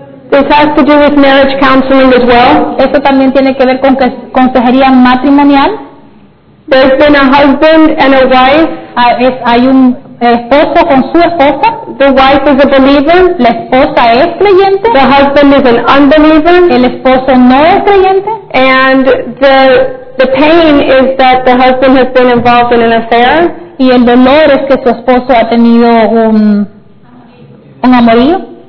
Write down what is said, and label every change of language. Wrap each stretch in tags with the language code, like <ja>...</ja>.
<en>This has to do with marriage counseling as well.</en> <es>Eso también tiene que ver con consejería matrimonial.</es> <en>There's been a husband and a wife.</en> <es>Hay un esposo con su esposa.</es> <en>The wife is a believer.</en> <es>La esposa es creyente.</es> <en>The husband is an unbeliever.</en> <es>El esposo no es creyente.</es> <en>And the pain is that the husband has been involved in an affair.</en> <es>Y el dolor es que su esposo ha tenido un amorío.</es>